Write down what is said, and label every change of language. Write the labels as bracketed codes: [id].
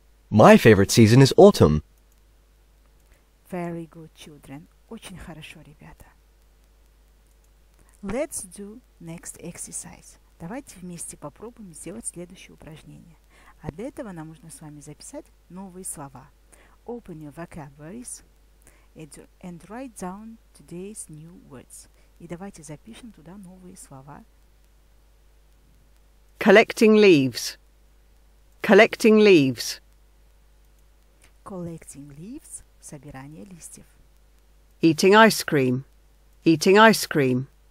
[en] My favorite season is autumn. Very good, children. [ru] Очень хорошо, ребята. [en] Let's do next exercise. [ru] Давайте вместе попробуем сделать следующее упражнение. А для этого нам нужно с вами записать новые слова. [en] Open your vocabularies and write down today's new words. [ru] И давайте запишем туда новые слова. [en] Collecting leaves. Collecting leaves. Collecting leaves. [ru] Собирание листьев. [en] Eating ice cream. Eating ice cream.